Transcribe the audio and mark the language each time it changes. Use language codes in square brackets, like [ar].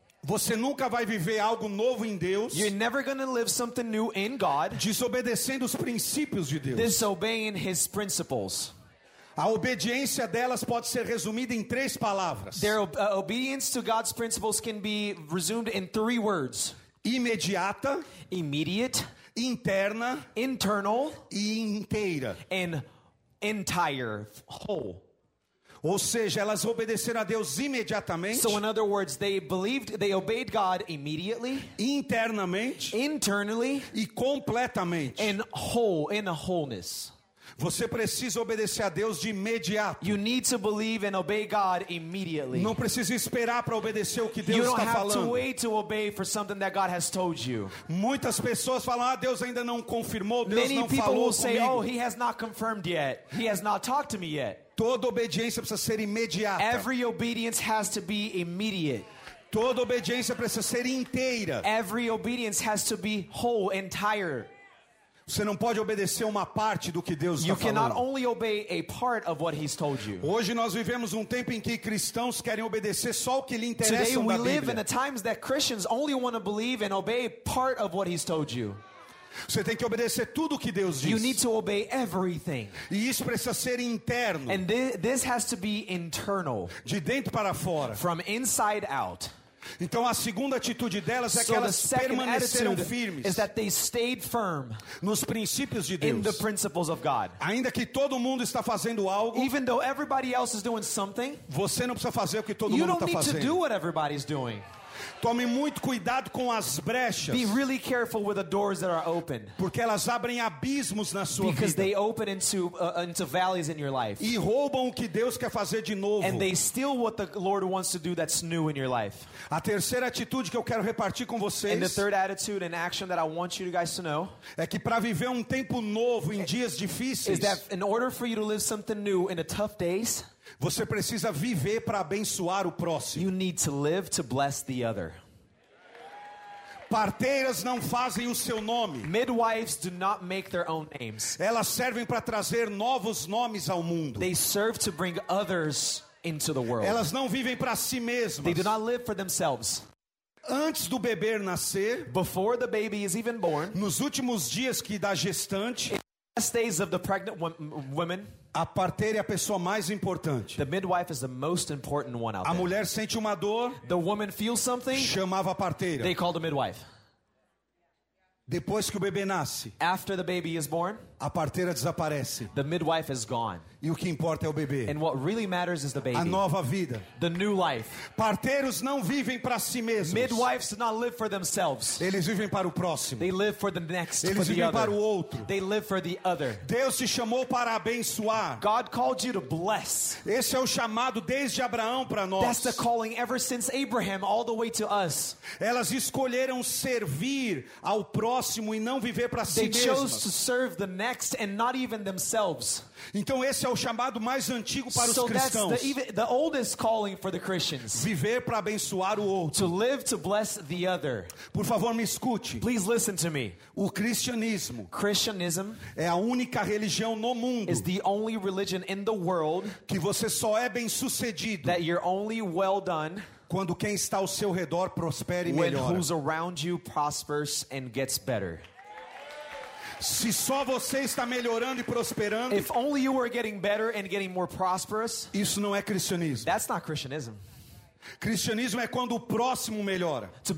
[pt] Você nunca vai viver algo novo em Deus. [en] You're never going to live something new in God. [pt] Desobedecendo os princípios de Deus. [en] Disobeying his principles. [pt] A obediência delas pode ser resumida em três palavras. [en] Their obedience to God's principles can be resumed in three words. [pt] Imediata. [en] Immediate. [pt] Interna, [en] internal, [pt] e inteira, [en] and entire, whole. [pt] Ou seja, elas obedeceram a Deus imediatamente. [en] So in other words, they believed, they obeyed God immediately. [pt] Internamente. [en] Internally. [pt] E completamente. [en] And whole, in a wholeness. [pt] Você precisa obedecer a Deus de imediato. [en] You need to believe and obey God immediately. [pt] Não precisa esperar para obedecer o que Deus está falando. [en] You don't have to wait to obey for something that God has told you. [pt] Muitas pessoas falam: "Ah, Deus ainda não confirmou, Deus [en] Many [pt] não falou comigo." [en] Many people say, "Oh, he has not confirmed yet. He has not talked to me yet." [pt] Toda obediência precisa ser imediata. [en] Every obedience has to be immediate. [pt] Toda obediência precisa ser inteira. [en] Every obedience has to be whole, entire. [pt] Você não pode obedecer uma parte do que Deus está falando. [en] You cannot only obey a part of what he's told you. [pt] Hoje nós vivemos tempo em que cristãos querem obedecer só o que lhe interessa da Bíblia. [en] Today we live in a time that Christians only want to believe and obey part of what he's told you. [pt] Você tem que obedecer tudo o que Deus diz. [en] You need to obey everything. [pt] E isso precisa ser interno. [en] And this has to be internal. [pt] De dentro para fora. [en] From inside out. [pt] Então a segunda atitude delas é que elas permaneceram firmes. [en] Is that they stayed firm [pt] nos princípios de Deus. [en] In the principles of God. [pt] Ainda que todo mundo está fazendo algo, [en] even though everybody else is doing something, [pt] você não precisa fazer o que todo mundo está fazendo. [en] You don't need to do what everybody's doing. [pt] Tome muito cuidado com as brechas. [en] Be really careful with the doors that are open. [pt] Porque elas abrem abismos na sua [en] because [pt] vida. [en] Because they open into valleys in your life. [pt] E roubam o que Deus quer fazer de novo. [en] And they steal what the Lord wants to do that's new in your life. [pt] A terceira atitude que eu quero repartir com vocês. [en] And the third attitude and action that I want you guys to know. [pt] É que para viver tempo novo em dias difíceis. [en] Is that in order for you to live something new in the tough days. [pt] Você precisa viver para abençoar o próximo. [en] You need to live to bless the other. [pt] Parteiras não fazem o seu nome. [en] Midwives do not make their own names. [pt] Elas servem para trazer novos nomes ao mundo. [en] They serve to bring others into the world. [pt] Elas não vivem para si mesmas. [en] They do not live for themselves. [pt] Antes do bebê nascer, [en] before the baby is even born, [pt] nos últimos dias que da gestante, [en] in the last days of the pregnant woman, [pt] a parteira é a pessoa mais importante. [en] The midwife is the most important one out there. [pt] A mulher sente uma dor. [en] The woman feels something. [pt] Chamava a parteira. [en] They called the midwife. [pt] Depois que o bebê nasce. [en] After the baby is born. [pt] A parteira desaparece. [en] The midwife is gone. [pt] E o que importa é o bebê. [en] And what really matters is the baby. [pt] A nova vida. [en] The new life. [pt] Parteiros não vivem para si mesmos. [en] Midwives do not live for themselves. [pt] Eles vivem para o próximo. [en] They live for the next, [pt] eles [en] for [pt] vivem [en] the [pt] para [en] other. [pt] O outro. [en] They live for the other. [pt] Deus te chamou para abençoar. [en] God called you to bless. [pt] Esse é o chamado desde Abraão para nós. [en] That's the calling ever since Abraham all the way to us. [pt] Elas escolheram servir ao próximo e não viver para si mesmas. [en] They chose to serve the next and not even themselves. [pt] Então esse é o chamado mais antigo para [en] so [pt] os cristãos. [en] That's the oldest calling for the Christians. [pt] Viver para abençoar o outro. [en] To live to bless the other. [pt] Por favor, me escute. [en] Please listen to me. [pt] O cristianismo. [en] Christianism [pt] é a única religião no mundo. [en] Is the only religion in the world. [pt] Que você só é bem-sucedido. [en] That you're only well done. [pt] Quando quem está ao seu redor prospera e melhora. [en] When who's around you prospers and gets better. [pt] Se só você está melhorando e prosperando, [en] if only you are getting better and getting more prosperous, [pt] isso não é cristianismo. [en] That's not Christianism. [pt] Cristianismo é quando o próximo melhora.